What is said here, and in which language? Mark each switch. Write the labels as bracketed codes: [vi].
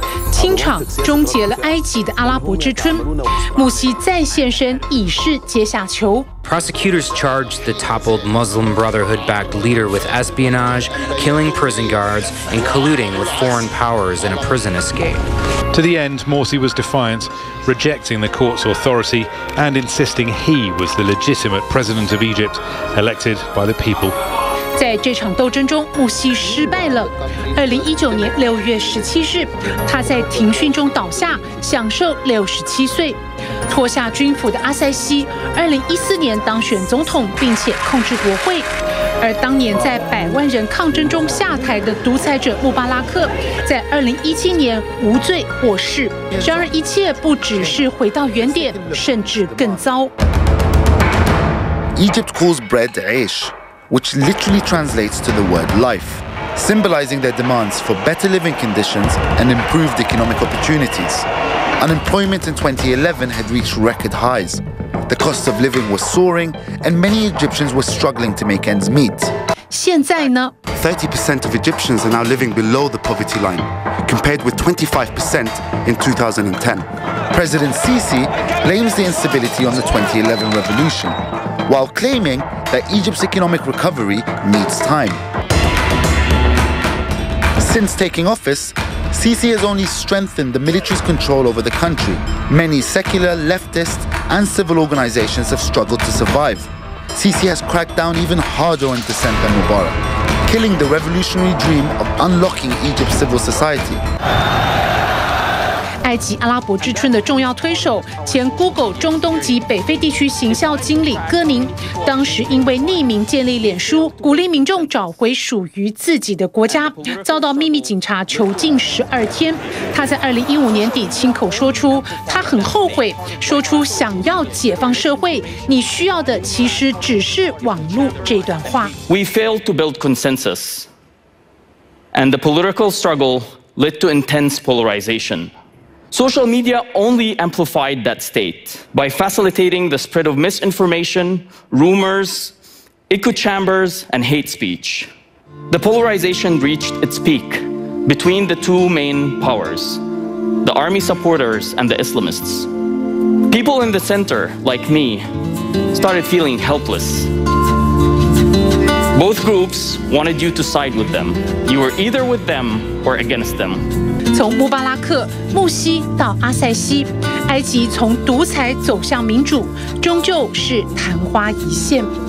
[zh] 清场终结了埃及的阿拉伯之春，穆西再现身，以示阶下囚。 [en] Prosecutors charged the toppled Muslim Brotherhood-backed leader with espionage, killing prison guards, and colluding with foreign powers in a prison escape. To the end, Morsi was defiant, rejecting the court's authority and insisting he was the legitimate president of Egypt, elected by the people. [zh] 在这场斗争中，穆西失败了。2019年6月17日，他在庭讯中倒下，享受67岁。脱下军服的阿塞西，2014年当选总统，并且控制国会。而当年在百万人抗争中下台的独裁者穆巴拉克，在2017年无罪获释。然而，一切不只是回到原点，甚至更糟。 [en] Egypt calls bread aish, which literally translates to the word life. symbolizing their demands for better living conditions and improved economic opportunities. Unemployment in 2011 had reached record highs. The cost of living was soaring, and many Egyptians were struggling to make ends meet. [zh] 现在呢? [en] 30% of Egyptians are now living below the poverty line, compared with 25% in 2010. President Sisi blames the instability on the 2011 revolution, while claiming that Egypt's economic recovery needs time. Since taking office, Sisi has only strengthened the military's control over the country. Many secular, leftist, and civil organizations have struggled to survive. Sisi has cracked down even harder on dissent than Mubarak, killing the revolutionary dream of unlocking Egypt's civil society. 埃及阿拉伯之春的重要推手，前 Google 中东及北非地区行销经理戈宁，当时因为匿名建立脸书，鼓励民众找回属于自己的国家，遭到秘密警察囚禁12天。他在2015年底亲口说出，他很后悔，说出想要解放社会，你需要的其实只是网络这段话。 We failed to build consensus, and the political struggle led to intense polarization. Social media only amplified that state by facilitating the spread of misinformation, rumors, echo chambers, and hate speech. The polarization reached its peak between the two main powers, the army supporters and the Islamists. People in the center, like me, started feeling helpless. Both groups wanted you to side with them. You were either with them or against them. [zh] 从穆巴拉克、穆西到阿塞西，埃及从独裁走向民主，终究是昙花一现。